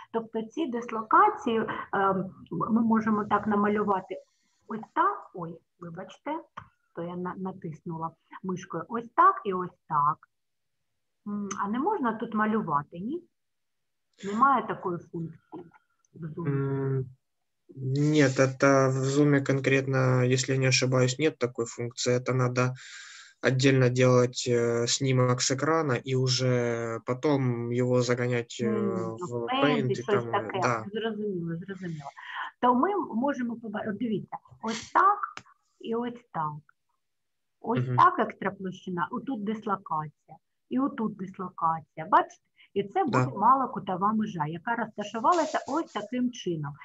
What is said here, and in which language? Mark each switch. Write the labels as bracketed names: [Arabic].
[Ukrainian] Тобто ці дислокації ми можемо так намалювати. Ось так, ой, вибачте, то я натиснула мишкою. Ось так і ось так. А не можна тут малювати, ні? Немає такої функції в зумі. [Russian] Нет, это в зуме конкретно, если я не ошибаюсь, нет такой функции. Это надо отдельно делать снимок с экрана и уже потом его загонять в Paint и [Ukrainian] Щось там, таке, [Russian] да. [Ukrainian] Зрозуміло, зрозуміло. То ми можемо побачити, дивіться, ось так і ось так. Ось так екстраплощина, отут дислокація, і отут дислокація. Бачите? І це буде [Russian] Да. [Ukrainian] малокутова межа, яка розташувалася ось таким чином.